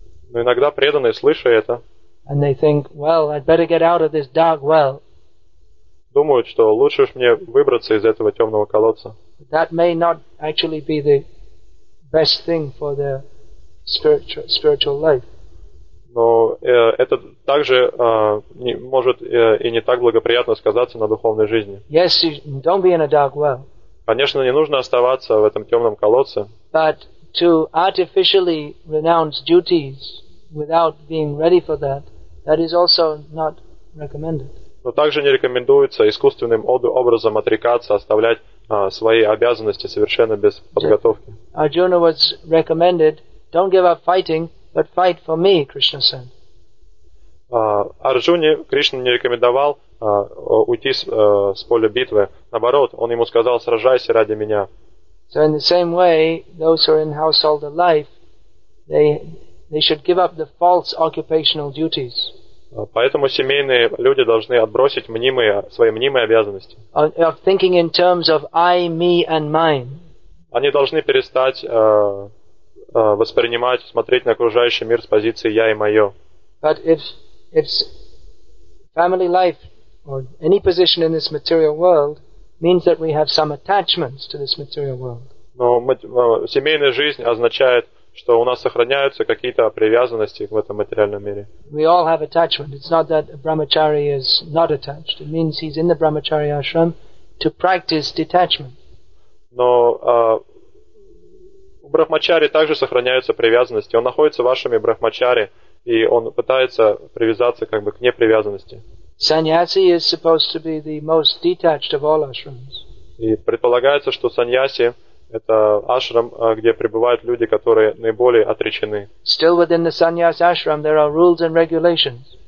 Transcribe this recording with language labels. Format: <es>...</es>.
<ru>Но иногда преданные слышат это.</ru> <en>And they think, well, I'd better get out of this dark well.</en> <ru>Думают, что лучше уж мне выбраться из этого темного колодца.</ru> <en>But that may not actually be the best thing for their spiritual life.</en> <ru>Но это также может и не так благоприятно сказаться на духовной жизни.</ru> <en>Yes, don't be in a dark well.</en> <ru>Конечно, не нужно оставаться в этом темном колодце.</ru> <en>But to artificially renounce duties without being ready for that is also not recommended.</en> <ru>Но также не рекомендуется искусственным образом отрекаться, оставлять свои обязанности совершенно без подготовки.</ru> <en>Arjuna was recommended, don't give up fighting, but fight for me, Krishna said.</en> <ru>Арджуне Кришна не рекомендовал уйти с поля битвы. Наоборот, он ему сказал, сражайся ради меня.</ru> <en>So in the same way, those who are in household of life, they should give up the false occupational duties.</en> <ru>Поэтому семейные люди должны отбросить мнимые, свои мнимые обязанности.</ru> <en>Of thinking in terms of I, me and mine.</en> <ru>Они должны перестать воспринимать, смотреть на окружающий мир с позиции я и мое.</ru> <en>But if family life or any position in this material world means that we have some attachments to this material world.</en> <ru>Но семейная жизнь означает, что у нас сохраняются какие-то привязанности в этом материальном мире.</ru> <en>We all have attachment. It's not that a brahmachari is not attached. It means he's in the brahmachari ashram to practice detachment.</en> <ru>Но у брахмачари также сохраняются привязанности. Он находится в вашими брахмачари, и он пытается привязаться как бы к непривязанности.</ru> <en>Sannyasi is supposed to be the most detached of all ashrams.</en> <ru>И предполагается, что саньяси — это ашрам, где пребывают люди, которые наиболее отречены.</ru> <en>Still within the sannyas ashram there are rules and regulations.</en>